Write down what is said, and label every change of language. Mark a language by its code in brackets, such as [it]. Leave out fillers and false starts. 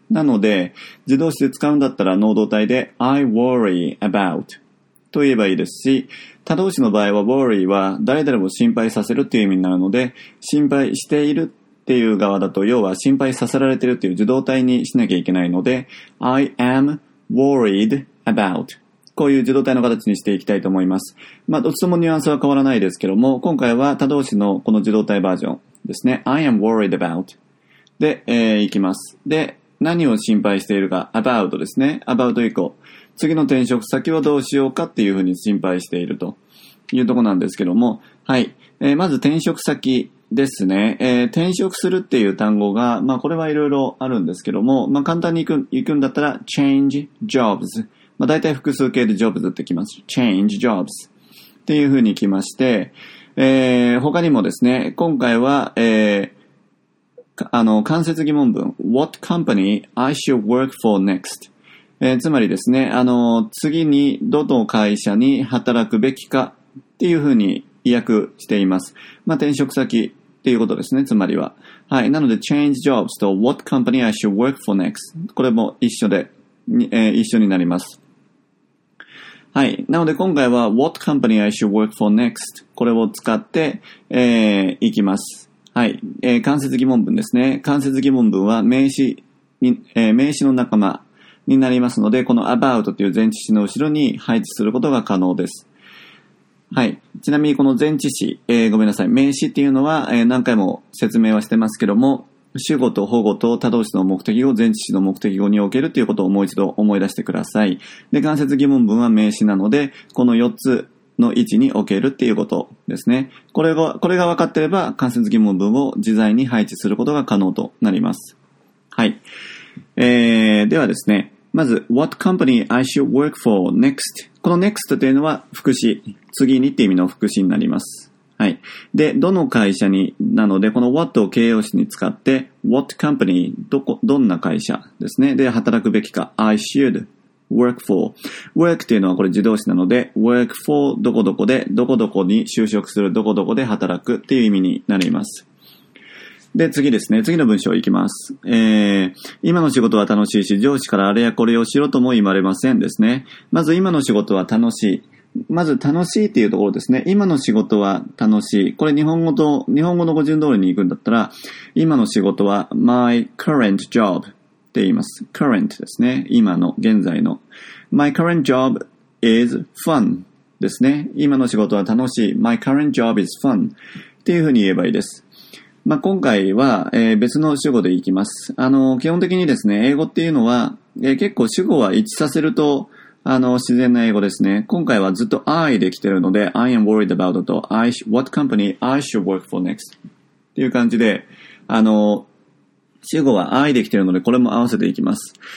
[ja] なので、自動詞で使うんだったら能動態で [en] I worry about [ja] と言えばいいですし、他動詞の場合は worry は誰々を心配させるっていう意味になるので、心配しているっていう側だと、要は心配させられてるっていう受動態にしなきゃいけないので、 [en] I am worried about、 [ja] こういう受動態の形にしていきたいと思います。まあ、どっちともニュアンスは変わらないですけども、今回は他動詞のこの受動態バージョンですね。 [en] I am worried about [ja] で、いきます。で、何を心配しているか、about ですね。 about 以降。次の転職先はどうしようかっていうふうに心配しているというところなんですけども。はい。まず転職先ですね。転職するっていう単語が、まあこれはいろいろあるんですけども、まあ簡単に行くんだったら、 [en] change jobs。 [ja] まあ大体複数形で jobs ってきます。 [en] change jobs [ja] っていうふうに来まして、他にもですね、今回は、間接疑問文。 [en] What company I should work for next?、 [ja] つまりですね、次にどの会社に働くべきかっていうふうに訳しています。まあ、転職先っていうことですね、つまりは。はい。なので、 [en] change jobs と What company I should work for next? [ja] これも一緒で、一緒になります。はい。なので、今回は [en] What company I should work for next? [ja] これを使って、いきます。はい、間接疑問文ですね。間接疑問文は名詞に、名詞の仲間になりますので、この about という前置詞の後ろに配置することが可能です。はい。ちなみにこの前置詞、ごめんなさい。名詞っていうのは、何回も説明はしてますけども、主語と補語と他動詞の目的語、前置詞の目的語におけるということをもう一度思い出してください。で、間接疑問文は名詞なので、この4つ、の位置に置けるっていうことですね。これが分かっていれば、間接疑問文を自在に配置することが可能となります。はい。ではですね、まず、 [en] What company I should work for next? [ja] この next というのは、副詞。次にって意味の副詞になります。はい。で、どの会社に、なので、この what を形容詞に使って、 [en] What company? [ja] どんな会社ですね。で、働くべきか。 [en] I should. work for. [ja] work っていうのはこれ自動詞なので、work for どこどこで、どこどこに就職する、どこどこで働くっていう意味になります。で、次ですね。次の文章いきます。今の仕事は楽しいし、上司からあれやこれをしろとも言われませんですね。まず今の仕事は楽しい。まず楽しいっていうところですね。今の仕事は楽しい。これ日本語の語順通りに行くんだったら、今の仕事は [en] my current job. [ja] って言います。 Current ですね。今の、現在の。 [en] My current job is fun [ja] ですね。今の仕事は楽しい。 [en] My current job is fun [ja] っていうふうに言えばいいです。まあ、今回は、別の主語でいきます。基本的にですね、英語っていうのは、結構主語は一致させると、自然な英語ですね。今回はずっと I で来てるので、 [en] I am worried about [ja] と、 [en] What company I should work for next [ja] っていう感じで、主語は I できているので、これも合わせていきます。